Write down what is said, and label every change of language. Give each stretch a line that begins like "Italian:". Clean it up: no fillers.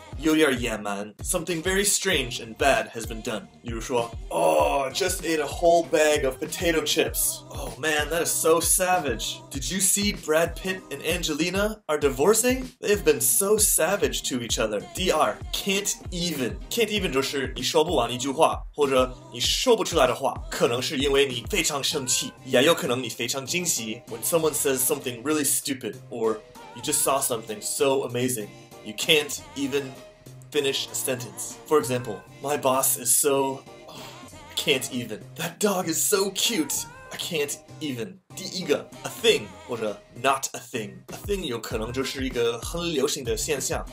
Chinese: 有点野蛮
English: ，something very strange and bad has been done.
Chinese: 比如说
English: ，Oh, just ate a whole bag of potato chips. Oh man, that is so savage. Did you see Brad Pitt and Angelina are divorcing? They have been so savage to each other.
Chinese: 第二
English: ，can't even.
Chinese: Can't even 就是你说不完一句话，或者你说不出来的话，可能是因为你非常生气，也有可能你非常惊喜。
English: When someone says something really stupid, or you just saw something so amazing. You can't even finish a sentence. For example, my boss is so... I can't even. That dog is so cute. I can't even.
Chinese: 第一个 a thing, 或者 not a thing. A thing 有可能就是一个很流行的现象。